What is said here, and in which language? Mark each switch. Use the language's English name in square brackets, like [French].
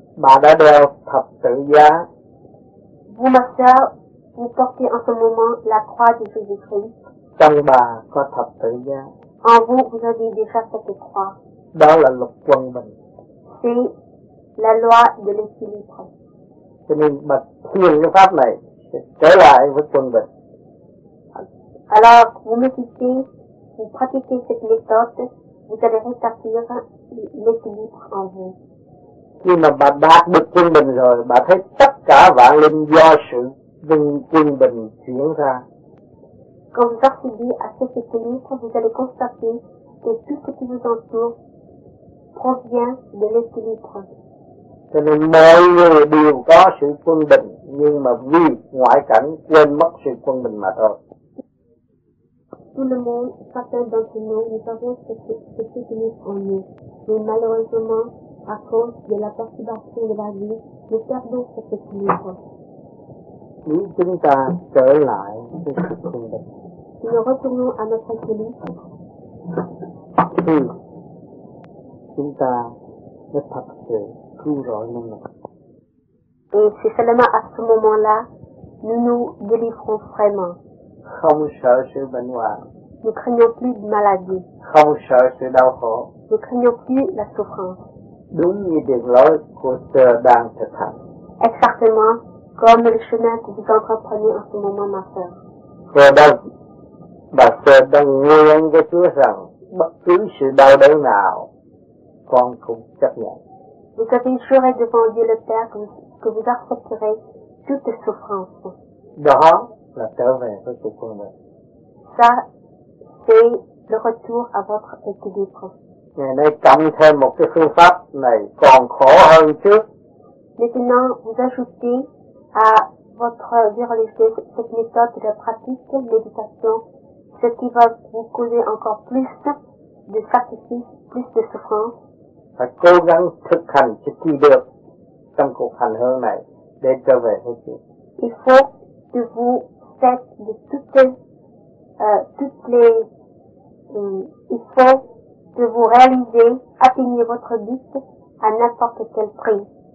[Vietnamese] Bà đã đeo thập tự giá. [French] Vous, ma soeur, vous portez en ce moment la croix de Jésus-Christ. [Vietnamese] Trong bà có thập tự giá. [French] En vous, vous avez déjà cette croix. [Vietnamese] Đó là luật quân bình. [French] C'est la loi de l'équilibre. [Vietnamese] Cho nên bà thiền cái pháp này trở lại với quân bình. [French] Alors, vous méditez, vous pratiquez cette méthode, vous allez rétablir l'équilibre en vous. [Vietnamese] Khi mà bà đạt được quân bình rồi, bà thấy tất cả vạn linh do sự quân bình chuyển ra. [French] Quand vous arrivez à cet équilibre, vous allez constater que tout ce qui vous entoure provient de l'équilibre. [Vietnamese] Cho nên mọi người đều có sự quân bình, nhưng mà vì ngoại cảnh quên mất sự quân bình mà thôi. [French] Tout le monde, chacun d'entre nous, nous avons ce qui est unique en nous. Mais malheureusement, à cause de la perturbation de la vie, nous perdons cet équilibre. [Vietnamese] Nous, chúng ta trở lại với sự quân bình. [French] Si nous retournons à notre équilibre, [Vietnamese] chúng ta mới thật sự cứu rỗi năng lực. [French] Et c'est seulement à ce moment-là, nous nous délivrons vraiment. [Vietnamese] Không sợ sự bệnh hoạn. [French] Nous craignons plus de maladie. [Vietnamese] Không sợ sự đau khổ. [French] Nous craignons plus la souffrance. [Vietnamese] Đúng như đường lối của sư đang thực hành. [French] Exactement comme le chemin que vous entreprenez en ce moment, ma sœur. [Vietnamese] Sư đang, bà sư đang nguyện với Chúa rằng bất cứ sự đau đớn nào, con cũng chấp nhận. [French] Vous avez juré devant Dieu le Père que vous accepterez toute souffrance. [Vietnamese] Đó là trở về với cuộc quân bình. [French] Ça, c'est le retour à votre équilibre. [Vietnamese] Ngày nay cộng thêm một cái phương pháp này còn khổ hơn trước. [French] Maintenant, vous ajoutez à votre virulité cette méthode de pratique de méditation, ce qui va vous causer encore plus de sacrifices, plus de souffrance. [Vietnamese] Phải cố gắng thực hành cho kỳ được trong cuộc hành hương này để trở về với Chúa. [French] Il faut que vous faites de il faut que vous réalisez, atteignez votre but à n'importe quel prix.